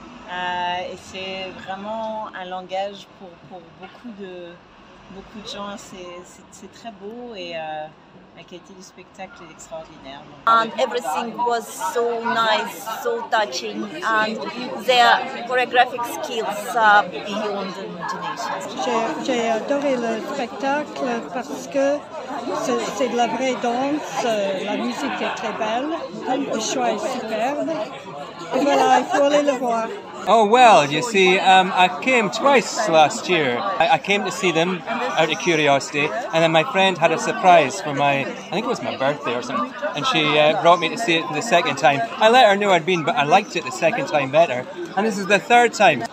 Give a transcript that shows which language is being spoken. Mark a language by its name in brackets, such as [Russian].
[French] Et c'est vraiment un langage pour beaucoup de gens. C'est très beau et. [English] Everything was so nice, so touching, and their choreographic skills are beyond imagination. [French] J'ai adoré le spectacle parce que c'est de la vraie danse, la musique est très belle, le choix est superbe, et voilà, il faut aller le voir. [English] Oh well, you see, I came twice last year. I came to see them out of curiosity, and then my friend had a surprise for my, I think it was my birthday or something, and she brought me to see it the second time. I let her know I'd been, but I liked it the second time better, and this is the third time.